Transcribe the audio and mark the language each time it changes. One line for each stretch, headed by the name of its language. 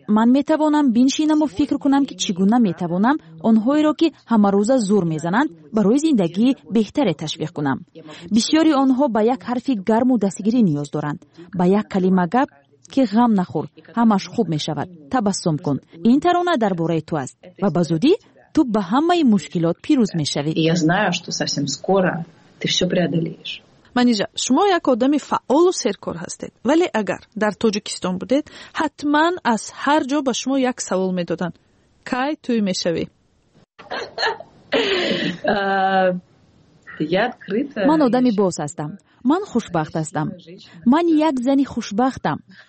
Persian: من می توانم بینشینم و فکر کنم که چگونه می توانم آنهایی را که همه روز زور می زنند برای زندگی بهتر تشویق کنم. بسیاری آنها با یک حرف گرم و دستگیری نیاز دارند، با یک کلمه گپ که غم نخور، همش خوب می شود، تبسم کن، این ترانه در باره تو است و به زودی تو به همه مشکلات پیروز می شوید.
Russian: Я знаю, что совсем скоро ты всё преодолеешь.
Persian: منیجا، شما یک آدم فعال و سرکار هستید، ولی اگر در تاجیکستان بودید، حتما از هر جا به شما یک سوال می دادن. کی توی می شوی؟ من آدم باز هستم. من خوشبخت هستم. من یک زنی خوشبختم.